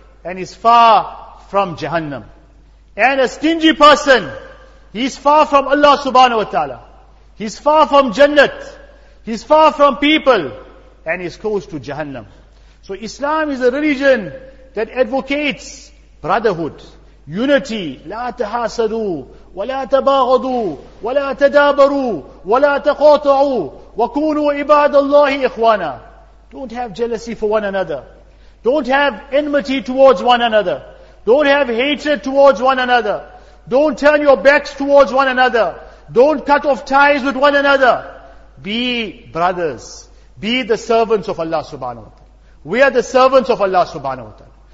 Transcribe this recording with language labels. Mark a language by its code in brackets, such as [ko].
[en] And he's far from Jahannam. And a stingy person, he's far from Allah subhanahu wa ta'ala. He's far from Jannat. He's far from people. And he's close to Jahannam. So Islam is a religion that advocates brotherhood, unity. [ar] لا تحاسدوا ولا تباغضوا ولا تدابروا ولا تقاطعوا وَكُونُوا عِبَادَ اللَّهِ إِخْوَانًا. [en] Don't have jealousy for one another. Don't have enmity towards one another. Don't have hatred towards one another. Don't turn your backs towards one another. Don't cut off ties with one another. Be brothers. Be the servants of Allah subhanahu wa ta'ala. We are the servants of Allah subhanahu wa ta'ala.